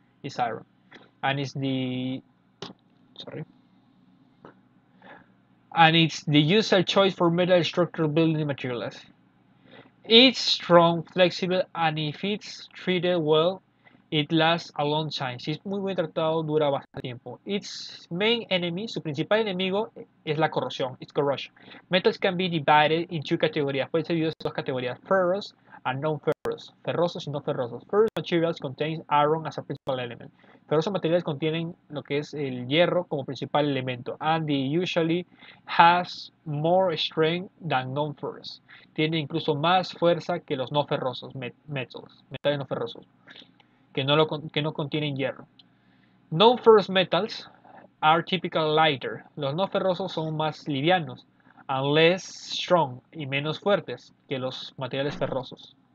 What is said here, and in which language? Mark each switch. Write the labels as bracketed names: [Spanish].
[English] Is iron, and it's the user choice for metal structural building materials. It's strong, flexible, and if it's treated well, it lasts a long time. [Spanish] Si es muy bien tratado, dura bastante tiempo. [English] Its main enemy, [Spanish] su principal enemigo, es la corrosión. [English] It's corrosion. Metals can be divided in two categorías. [Spanish] Pueden ser divididos en dos categorías. [English] Ferrous and non-ferrous. [Spanish] Ferrosos y no ferrosos. [English] Ferrous materials contain iron as a principal element. [Spanish] Ferrosos materiales contienen lo que es el hierro como principal elemento. [English] And they usually has more strength than non-ferrous. [Spanish] Tiene incluso más fuerza que los no ferrosos metals. Metales no ferrosos. Que no contienen hierro. [English] Non-ferrous metals are typically lighter. [Spanish] Los no ferrosos son más livianos [English] and less strong [Spanish] y menos fuertes que los materiales ferrosos.